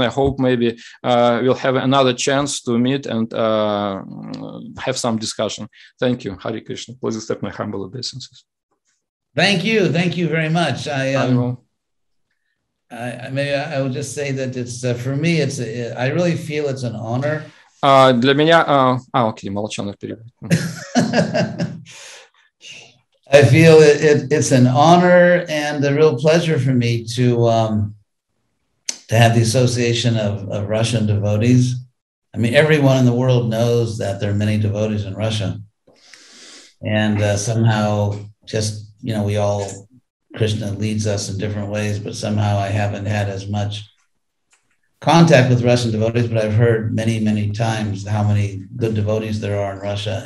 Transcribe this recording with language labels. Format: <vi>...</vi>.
<en>I hope maybe we'll have another chance to meet and have some discussion. Thank you. Hare Krishna. Please accept my humble obeisances. Thank you. Thank you very much. I will just say that it's for me, I really feel it's an honor.</en> <ru>Для меня... Молчан, я перевожу.</ru> <en>I feel it's an honor and a real pleasure for me to have the Association of Russian Devotees. I mean, everyone in the world knows that there are many devotees in Russia. And somehow just, you know, we all, Krishna leads us in different ways, but somehow I haven't had as much contact with Russian devotees, but I've heard many, many times how many good devotees there are in Russia.</en>